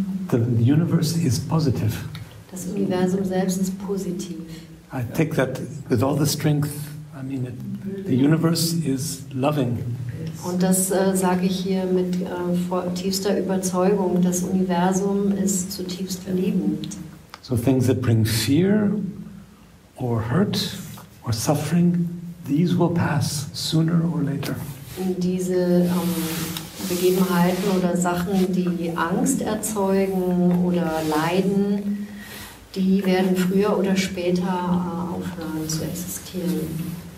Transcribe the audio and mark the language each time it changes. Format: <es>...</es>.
<en>The universe is positive.</en> <de>Das Universum selbst ist positiv.</de> <en>I take that with all the strength. I mean, the universe is loving.</en> <de>Und das sage ich hier mit tiefster Überzeugung. Das Universum ist zutiefst liebend.</de> <en>So things that bring fear or hurt or suffering, these will pass sooner or later.</en> <de>Und diese Begebenheiten oder Sachen, die Angst erzeugen oder Leiden, die werden früher oder später aufhören zu existieren.</de>